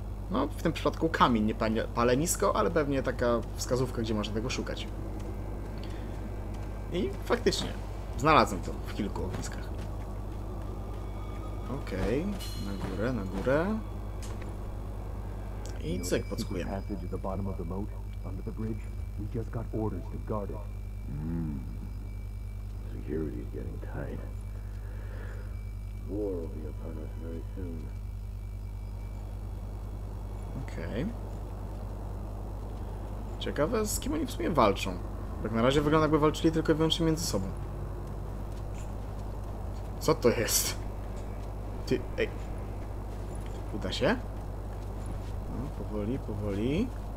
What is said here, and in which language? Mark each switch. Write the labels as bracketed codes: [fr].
[pl] No, w tym przypadku kamień, nie palenisko, ale pewnie taka wskazówka, gdzie można tego szukać. I faktycznie, znalazłem to w kilku ogniskach. Okej, okay, na górę, na górę. I cyk, podskuję. [en] Security is getting tight. War will be upon us very soon. Okej. Okay. [pl] Ciekawe, z kim oni w sumie walczą. Tak na razie wygląda, jakby walczyli tylko i wyłącznie między sobą. Co to jest? Ty, ej. Uda się? No, powoli, powoli.